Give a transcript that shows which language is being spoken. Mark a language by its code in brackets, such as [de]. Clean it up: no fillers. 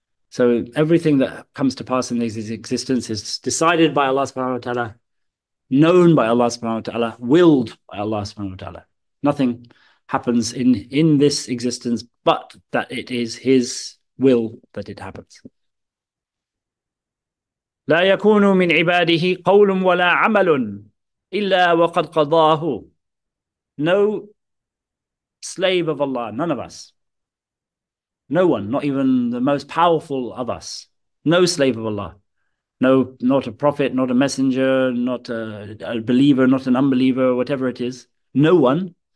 [en] So everything that comes to pass in this existence is decided by Allah subhanahu wa ta'ala, known by Allah subhanahu wa ta'ala, willed by Allah subhanahu wa ta'ala. Nothing happens in this existence but that it is his will that it happens. [ar] لا يكون من عباده قول ولا عمل إلا وقد قضاه. [en] No slave of Allah, none of us. No one, not even the most powerful of us. No slave of Allah. No, not a prophet, not a messenger, not a believer, not an unbeliever, whatever it is. No one.